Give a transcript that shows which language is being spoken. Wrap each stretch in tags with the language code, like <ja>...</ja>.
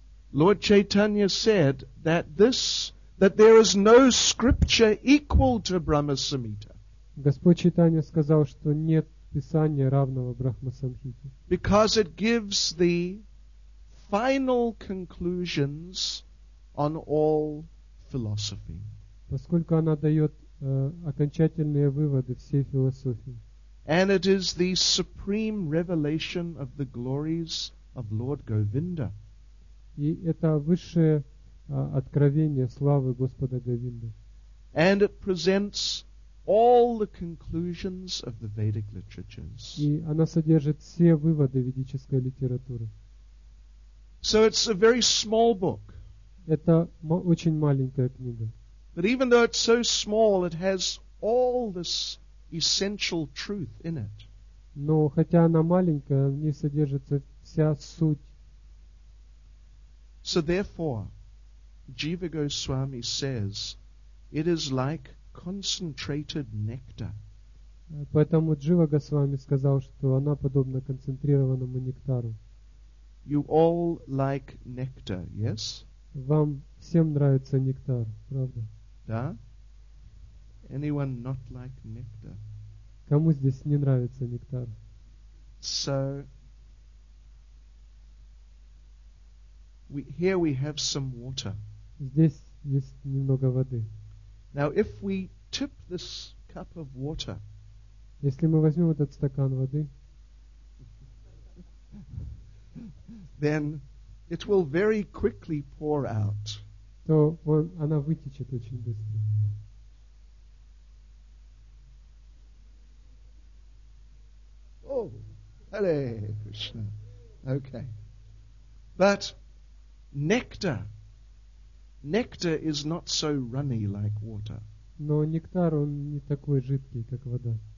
<en>Lord Chaitanya said that there is no scripture equal to Brahma Samhita.</en> <ru>Господь Чайтанья сказал, что нет писания равного Брахма Самхите.</ru> <en>Because it gives the final conclusions on all philosophy.</en> <ru>Поскольку она дает окончательные выводы всей философии.</ru> <en>And it is the supreme revelation of the glories of Lord Govinda.</en> <ru>И это высшее откровение славы Господа Говинды.</ru> <en>And it presents all the conclusions of the Vedic literatures.</en> <ru>И она содержит все выводы ведической литературы.</ru> <en>So it's a very small book.</en> <ru>Это очень маленькая книга.</ru> <en>But even though it's so small, it has all this essential truth in it.</en> <ru>Но хотя она маленькая, в ней содержится вся суть.</ru> <en>So therefore, Jiva Goswami says, it is like concentrated nectar.</en> <ru>Поэтому Джива Госвами сказал, что она подобна концентрированному нектару.</ru> <en>You all like nectar, yes?</en> <ru>Вам всем нравится нектар, правда? Да?</ru> <en>Anyone not like nectar?</en> <ru>Кому здесь не нравится нектар?</ru> <en>So, here we have some water.</en> <ru>Здесь есть немного воды.</ru> <en>Now, if we tip this cup of water,</en> <ru>если мы возьмем этот стакан воды,</ru> <en>then it will very quickly pour out.</en> <ru>То она вытечет очень быстро.</ru> <en>Oh, Hare Krishna. Okay. But nectar is not so runny like water.</en> <ru>Но нектар, он не такой жидкий, как вода.</ru>